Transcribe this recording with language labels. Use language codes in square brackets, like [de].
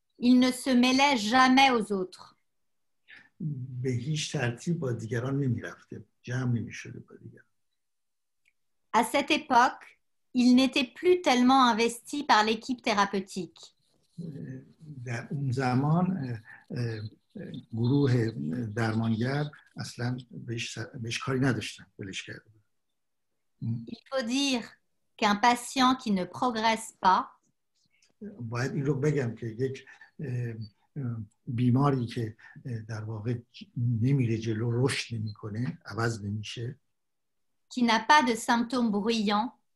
[fr] Il ne se mêlait jamais aux autres. [fa] به هیچ ترتیب با دیگران نمی رفته. جمع نمی شده با دیگران. [fr] À cette époque, il n'était plus tellement investi par l'équipe thérapeutique. [fa] در اون زمان گروه درمانگر اصلا بهش کاری نداشتن, ولش کرده بود. [fr] Il faut dire qu'un patient qui ne progresse pas, [fa] باید این رو بگم که یک بیماری که در واقع نمیره جلو, رشد نمیکنه, عوض نمیشه, [fr] qui n'a pas de symptômes bruyants,